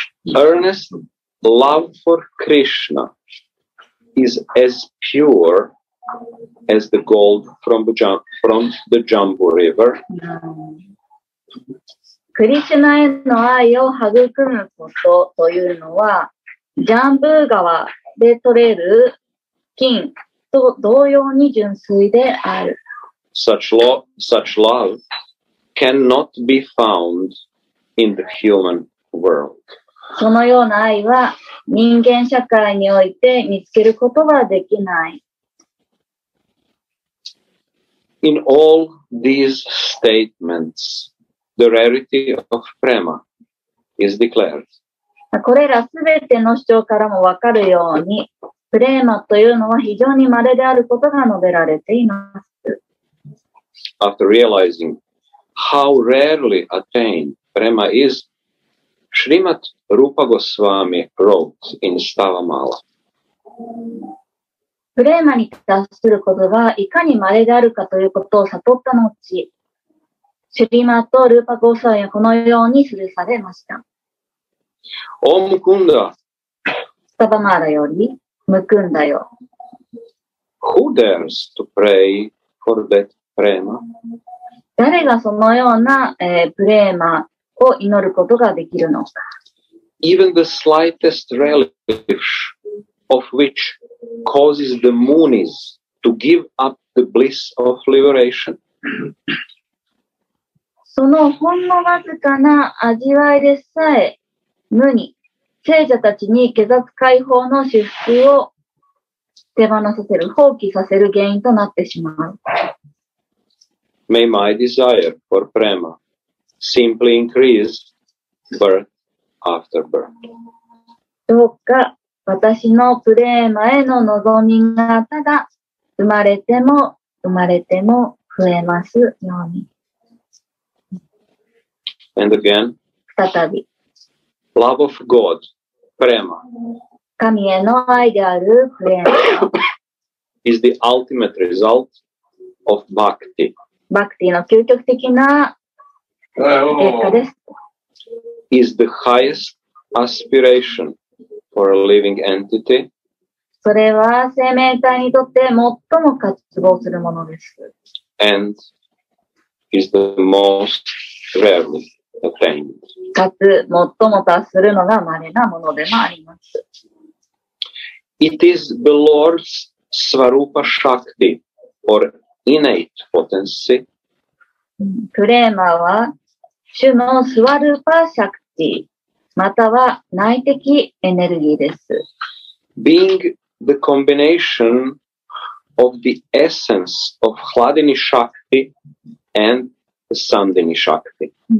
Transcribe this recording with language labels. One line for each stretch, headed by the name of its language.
English: Earnest love for Krishna is as pure as the gold from the Jambu River.
Japanese: クリシュナへの愛を育むことというのは、ジャンブー川で取れる金と同様に純粋である。
English: Such love cannot be found in the human world.
Japanese: そのような愛は人間社会において見つけることはできない。
English: In all these statements, The rarity of prema is declared.
Japanese: これらすべての主張からもわかるように、プレーマというのは非常に稀であることが述べられています。
English: After realizing how rarely attained prema is, Srimad Rupa Goswami wrote in Stavamala.
Japanese: プレーマに達することがいかに稀であるかということを悟った後、シュリマとルーパゴスワミはこのように記されました。オムクンダ。スタバマーラより、ムクンダよ。
English: Who dares to pray for that prema?
Japanese: 誰がそのような、プレーマを祈ることができるのか。
English: Even the slightest relish of which causes the moonies to give up the bliss of liberation.
Japanese: そのほんのわずかな味わいでさえ、無に聖者たちに解脱解放の修復を手放させる、放棄させる原因となってしまう。
English: May my desire for prema simply increase birth after birth.
Japanese: どうか私のプレーマへの望みがただ生まれても生まれても増えますように。
English: And again.
Japanese: 再び。
English: Love of God, prema.
Japanese: 神への愛であるプレーマ。
English: is the ultimate result of bhakti.
Japanese: Bhakti の究極的な結果です。
English: is the highest aspiration for a living entity.
Japanese: それは生命体にとって最も渇望するものです。
English: and is the most rarely.
Japanese: かつ最も達するのが稀なものでもあります。
English: It is the Lord's Svarupa Shakti or innate potency.
Japanese: プレーマは主のスワルパシャクティまたは内的エネルギーです。
English: Being the combination of the essence of Hladini Shakti and Sandini Shakti.